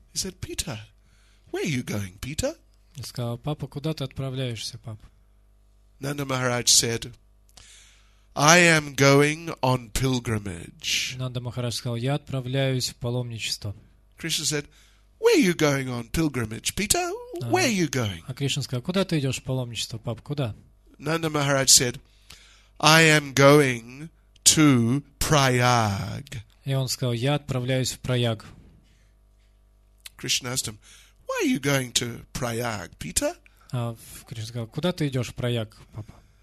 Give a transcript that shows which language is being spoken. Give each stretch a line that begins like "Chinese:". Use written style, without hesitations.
English: He said, Peter, where are you going, Peter?
Russian: И сказал, папа, куда ты отправляешься, пап?
English: Нанда Махарадж said, I am going on pilgrimage.
Russian: Нанда Махарадж сказал, я отправляюсь в паломничество.
English: Krishna said, where are you going on pilgrimage, Peter? Where are you going?
Russian: А Кришна сказал, куда ты идешь в паломничество, пап, куда?
English: Нанда Махарадж said, I am going to Prayag.
Russian: И он сказал, я отправляюсь в Прайаг.
English: Krishna asked him, why are you going to Prayag, Peter?
Russian: А Кришна сказал, куда ты идешь в Прайаг, папа?